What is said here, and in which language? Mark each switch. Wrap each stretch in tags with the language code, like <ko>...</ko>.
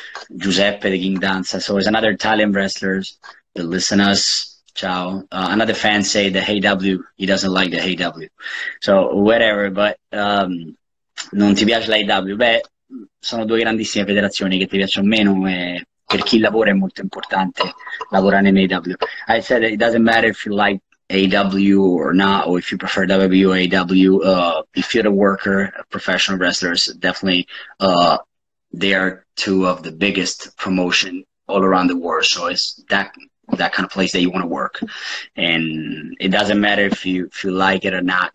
<en>Giuseppe the King Danza, so it's another Italian wrestlers that listen us. Ciao. Another fan say the AEW, he doesn't like the AEW. So whatever, but</en> <it>non ti piace l'AEW? Beh, sono due grandissime federazioni, che ti piacciono meno, e per chi lavora è molto importante lavorare in AEW.</it> <en>I said it doesn't matter if you like AEW or not, or if you prefer WWE or AEW, if you're a worker, professional wrestlers, definitely they are two of the biggest promotion all around the world. So it's that kind of place that you want to work. And it doesn't matter if you like it or not.</en>